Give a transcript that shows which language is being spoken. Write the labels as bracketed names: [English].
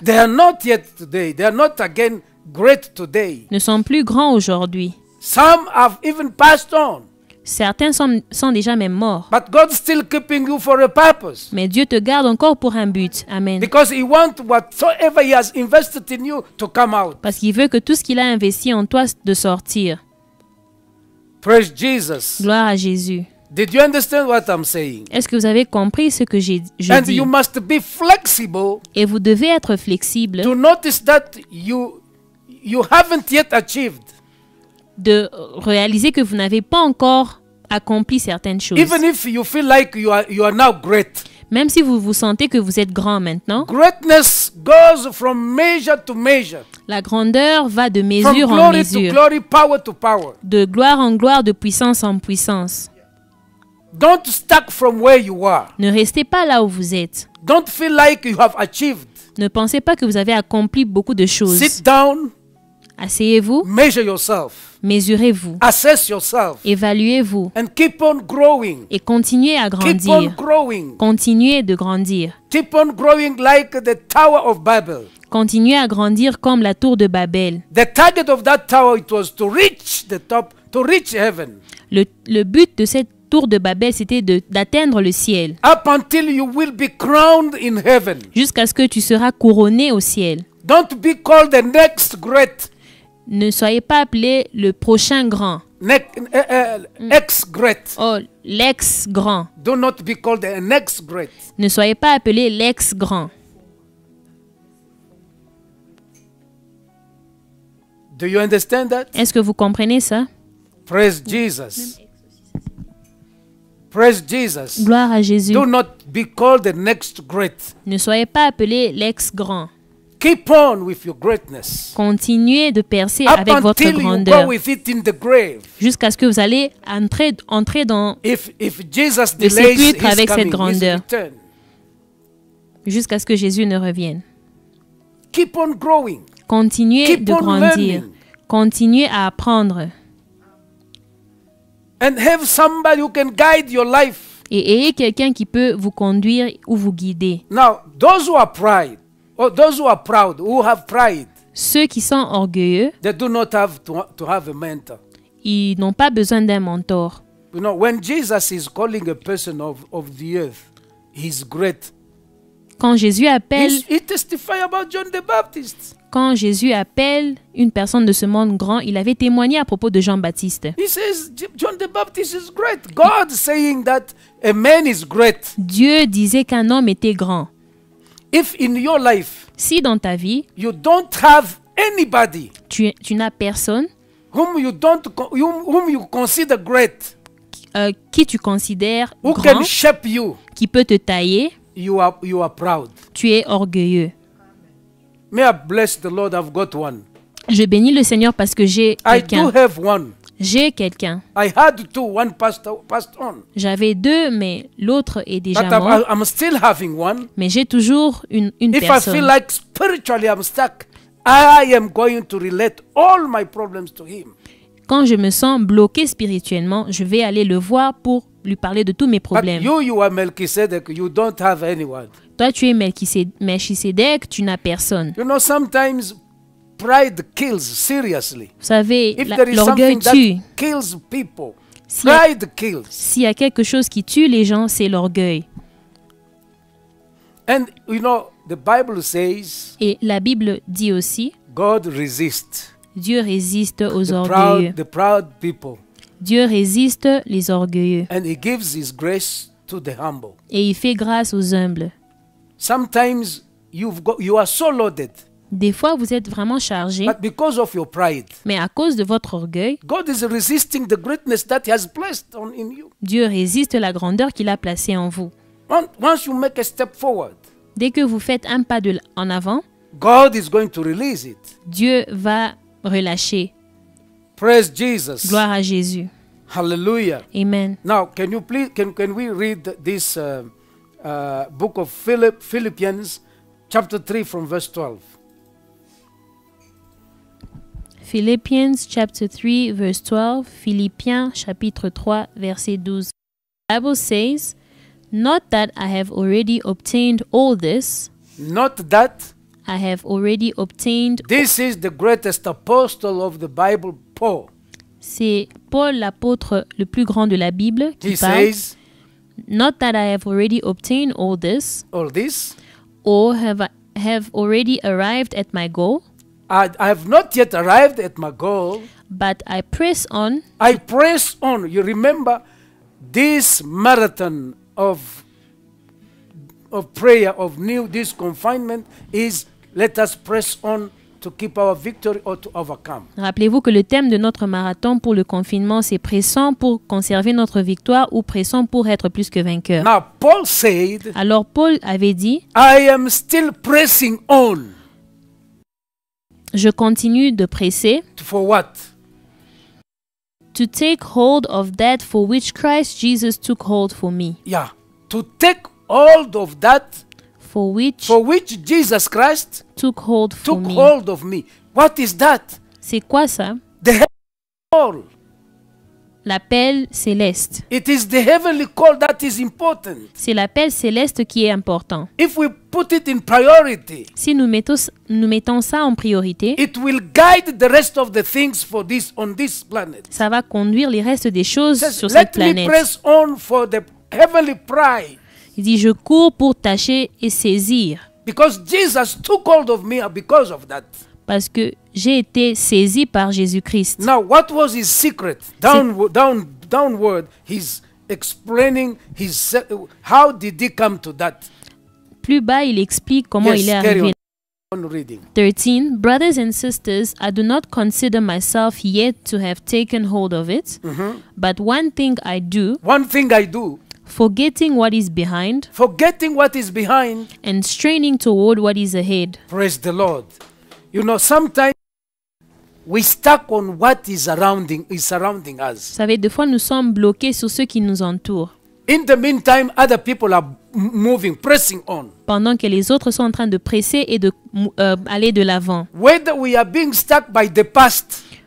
[English] they are not yet today. They are not again great today. [French] Ne sont plus grands aujourd'hui. [English] Some have even passed on. [French] Certains sont déjà même morts. [English] But God's still keeping you for a purpose. [French] Mais Dieu te garde encore pour un but. Amen. [English] Because he wants whatsoever he has invested in you to come out. [French] Parce qu'il veut que tout ce qu'il a investi en toi de sortir. [English] Praise Jesus. [French] Gloire à Jésus. [English] Did you understand what I'm saying? [French] Est-ce que vous avez compris ce que je [English] And [French] dis? [English] You must be flexible. [French] Et vous devez être flexible. [English] To notice that you haven't yet achieved. [French] De réaliser que vous n'avez pas encore accompli certaines choses. [English] Even if you feel like you are now great. [French] Même si vous vous sentez que vous êtes grand maintenant. [English] Greatness goes from measure to measure. [French] La grandeur va de mesure [English] from glory [French] en mesure. [English] To glory, power to power. [French] De gloire en gloire, de puissance en puissance. [English] Don't stuck from where you are. [French] Ne restez pas là où vous êtes. [English] Don't feel like you have achieved. [French] Ne pensez pas que vous avez accompli beaucoup de choses. [English] Sit down. [French] Asseyez-vous. [English] Measure yourself. [French] Mesurez-vous. [English] Assess yourself. [French] Évaluez-vous. [English] And keep on growing. [French] Et continuez à grandir. [English] Keep on growing. [French] Continuez de grandir. [English] Keep on growing like the Tower of Babel. [French] Continuez à grandir comme la tour de Babel. [English] The target of that tower it was to reach the top, to reach heaven. [French] Le but de cette tour de Babel, c'était d'atteindre le ciel. [English] Up until you will be crowned in heaven. [French] Jusqu'à ce que tu seras couronné au ciel. [English] Don't be called the next great. [French] Ne soyez pas appelé le prochain grand. [English] Ex-great. [French] Oh, l'ex-grand. [English] Do not be called the next great. [French] Ne soyez pas appelé l'ex-grand. [English] Do you understand that? [French] Est-ce que vous comprenez ça? [English] Praise Jesus. Praise Jesus. [French] Gloire à Jésus. [English] Do not be called the next great. [French] Ne soyez pas appelé l'ex-grand. [English] Keep on with your greatness. [French] Continuez de percer [English] Up [French] avec votre grandeur. [English] You go with it in the grave. [French] Jusqu'à ce que vous allez entrer dans [English] if Jesus [French] le sépulcre avec cette grandeur. Jusqu'à ce que Jésus ne revienne. [English] Keep on growing. [French] Continuez [English] Keep [French] de [English] on [French] grandir. [English] Learning. [French] Continuez à apprendre. [English] And have somebody who can guide your life. [French] Et ayez quelqu'un qui peut vous conduire ou vous guider. [English] Now, those who are proud, who have pride. [French] Ceux qui sont orgueilleux. [English] They do not have to have a mentor. [French] Ils n'ont pas besoin d'un mentor. [English] You know, when Jesus is calling a person of the earth, he's great. [French] Quand Jésus appelle. [English] He testifies about John the Baptist. [French] Quand Jésus appelle une personne de ce monde grand, il avait témoigné à propos de Jean-Baptiste. [English] He says John the Baptist is great. God saying that a man is great. [French] Dieu disait qu'un homme était grand. [English] If in your life, [French] si dans ta vie, [English] you don't have anybody, [French] tu n'as personne, [English] whom you consider great, [French] qui tu considères [English] who [French] grand, [English] can shape you, [French] qui peut te tailler, [English] you are proud. [French] Tu es orgueilleux. [English] May I bless the Lord, I've got one. [French] Je bénis le Seigneur parce que j'ai quelqu'un. [English] I do have one. [French] J'ai quelqu'un. [English] I had two, one passed on. [French] J'avais deux, mais l'autre est déjà [English] But [French] mort. [English] I'm still having one. [French] Mais j'ai toujours une [English] If [French] personne. [English] If I feel like spiritually I'm stuck, I am going to relate all my problems to him. [French] Quand je me sens bloqué spirituellement, je vais aller le voir pour lui parler de tous mes problèmes. [English] But you are Melchizedek, you don't have anyone. [French] Toi, tu es Melchisédek, tu n'as personne. [English] You know, sometimes pride kills, seriously. [French] Vous savez, l'orgueil tue. [English] That kills people, pride kills. [French] S'il y a quelque chose qui tue les gens, c'est l'orgueil. [English] And you know, the Bible says, [French] et la Bible dit aussi, [English] God resists [French] Dieu résiste aux [English] the [French] orgueilleux. [English] Proud, the proud people. [French] Dieu résiste les orgueilleux. [English] And he gives his grace to the humble. [French] Et il fait grâce aux humbles. [English] Sometimes you are so loaded. [French] Des fois vous êtes vraiment chargé. [English] But because of your pride. [French] Mais à cause de votre orgueil. [English] God is resisting the greatness that he has placed in you. [French] Dieu résiste la grandeur qu'il a placée en vous. [English] Once you make a step forward. [French] Dès que vous faites un pas en avant. [English] God is going to release it. [French] Dieu va relâcher. [English] Praise Jesus. [French] Gloire à Jésus. [English] Hallelujah. Amen. Now can we read this book of Philippians chapter 3 from verse 12. Philippians chapter 3 verse 12. [French] Philippiens chapitre 3 verset 12. [English] The Bible says, not that I have already obtained all this. Not that I have already obtained. This is the greatest apostle of the Bible, Paul. [French] C'est Paul l'apôtre le plus grand de la Bible qui parle. [English] Says, not that I have already obtained all this. All this. Or have already arrived at my goal. I have not yet arrived at my goal. But I press on. I press on. You remember this marathon of prayer, of new, this confinement is let us press on to keep our victory or to overcome. [French] Rappelez-vous que le thème de notre marathon pour le confinement, c'est pressant pour conserver notre victoire ou pressant pour être plus que vainqueur. [English] Now, Paul said, [French] alors Paul avait dit, [English] I am still pressing on. [French] Je continue de presser. [English] For what? To take hold of that for which Christ Jesus took hold for me. Yeah. To take hold of that for which Jesus Christ took hold of me. What is that? [French] C'est quoi ça? [English] The heavenly call. [French] L'appel céleste. [English] It is the heavenly call that is important. [French] C'est l'appel céleste qui est important. [English] If we put it in priority, [French] si nous mettons ça en priorité, [English] it will guide the rest of the things for this on this planet. [French] Ça va conduire les restes des choses [English] says, [French] sur cette planète. [English] Let me press on for the heavenly prize. [French] Il dit, je cours pour tâcher et saisir. [English] Because Jesus took hold of me because of that. [French] Parce que j'ai été saisi par Jésus-Christ. [English] Now, what was his secret? Downward, he's explaining his how did he come to that? [French] Plus bas, il explique comment [English] yes, [French] il est arrivé. [English] On reading. 13. Brothers and sisters, I do not consider myself yet to have taken hold of it. Mm-hmm. But one thing I do. One thing I do. Forgetting what is behind, and straining toward what is ahead. Praise the Lord. You know, sometimes we stuck on what is surrounding us. [French] Vous savez, des fois nous sommes bloqués sur ce qui nous entoure. [English] In the meantime, other people are moving, pressing on. [French] Pendant que les autres sont en train de presser et de aller de l'avant. [English] Whether we are being stuck by the past.